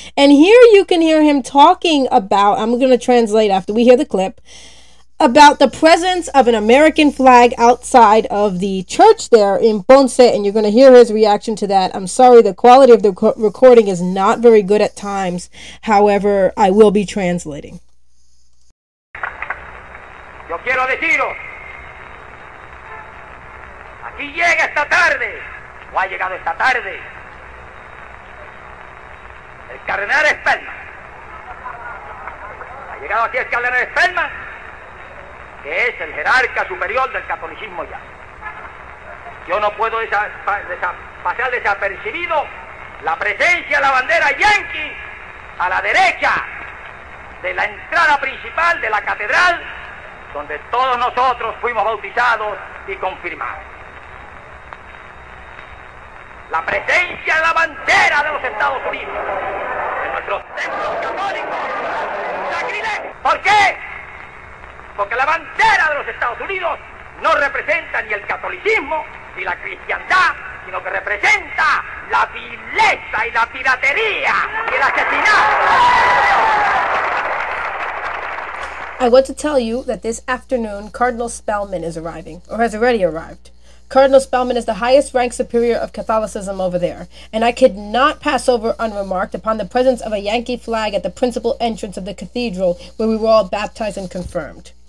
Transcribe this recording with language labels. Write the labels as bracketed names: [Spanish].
[English] And here you can hear him talking about, I'm going to translate after we hear the clip, about the presence of an American flag outside of the church there in Ponce, and you're going to hear his reaction to that. I'm sorry, the quality of the recording is not very good at times. However, I will be translating. [Spanish] Yo quiero deciros, aquí llega esta tarde, o ha llegado esta tarde, el Cardenal Spellman. Ha llegado aquí el Cardenal Spellman, que es el jerarca superior del catolicismo ya. Yo no puedo pasar desapercibido la presencia de la bandera yanqui a la derecha de la entrada principal de la catedral donde todos nosotros fuimos bautizados y confirmados. La presencia de la bandera de los Estados Unidos en nuestros templos católicos, sacrilegio. ¿Por qué? Porque la bandera de los Estados Unidos no representa ni el catolicismo ni la cristiandad, sino que representa la vileza y la piratería y el asesinato. [English] I want to tell you that this afternoon Cardinal Spellman is arriving, or has already arrived. Cardinal Spellman is the highest rank superior of Catholicism over there, and I could not pass over unremarked upon the presence of a Yankee flag at the principal entrance of the cathedral where we were all baptized and confirmed.